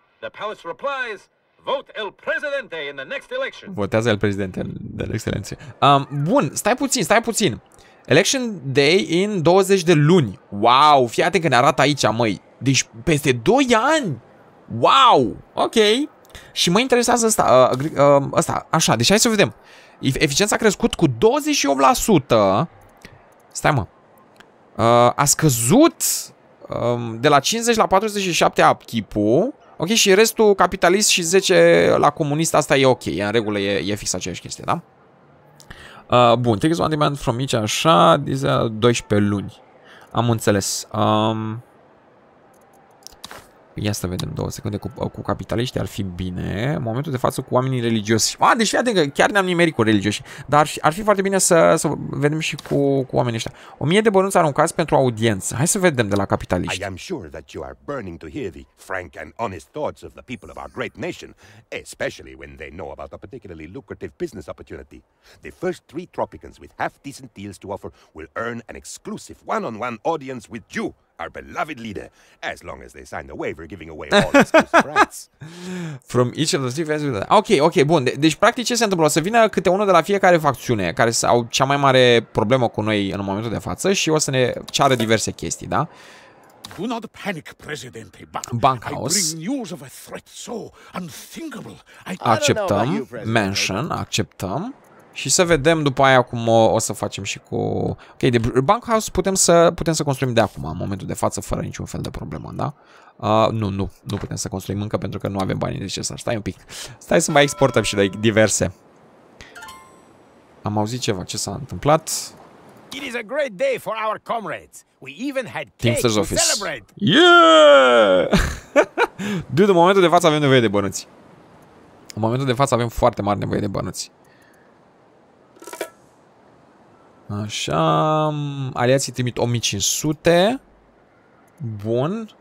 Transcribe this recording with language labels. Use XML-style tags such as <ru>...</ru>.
<en>The palace replies, vote El Presidente in the next election.</en> <ro>Votează El Presidente în excelență. Bun, stai puțin, stai puțin. Election day in 20 de luni. Wow, fii atent că ne arată aici, măi. Deci peste 2 ani. Wow, ok. Și mă interesează asta, asta, așa, deci hai să vedem. Eficiența a crescut cu 28%. Stai mă, a scăzut de la 50 la 47 upkeep-ul. Ok, și restul capitalist și 10 la comunist, asta e ok, în regulă e fix aceeași chestie, da? Bun, take one demand from each, așa, 12 luni, am înțeles. Ia să vedem două secunde cu capitaliști, ar fi bine, în momentul de față cu oamenii religioși. A, deci fii atent că chiar ne-am nimerit cu religioși, dar ar fi foarte bine să vedem și cu oamenii ăștia. 1000 de bănuți aruncați pentru audiență. Hai să vedem de la capitaliști.</ro> <en>I am sure that you are burning to hear the frank and honest thoughts of the people of our great nation, especially when they know about a particularly lucrative business opportunity. The first 3 tropicans with half decent deals to offer will earn an exclusive one-on-one audience with you. Our beloved leader, as long as they sign the waiver giving away all his rights. From each of the 3 factions. Ok, ok, bun.</en> <ro>Deci practic ce se întâmplă? O să vină câte unul de la fiecare facțiune care au cea mai mare problemă cu noi în momentul de față și o să ne ceară diverse chestii, da?</ro> <en>Do not panic, Presidente. Bankhaus. I bring news of a threat so unthinkable.</en> <ro>Acceptăm. Mansion, acceptăm. Și să vedem după aia cum o să facem și cu... Ok, de Bankhouse putem să construim de acum, în momentul de față, fără niciun fel de problemă, da? Nu putem să construim încă pentru că nu avem banii necesari. Stai un pic. Stai să mai exportăm și de diverse. Am auzit ceva, ce s-a întâmplat?</ro> <en>It is a great day for our comrades. We even had cake to office. Celebrate. Yeah!</en> <ro>Dude, în momentul de față avem nevoie de bănuți. În momentul de față avem foarte mare nevoie de bănuți. Așa, aliații trimit 1500. Bun.</ro>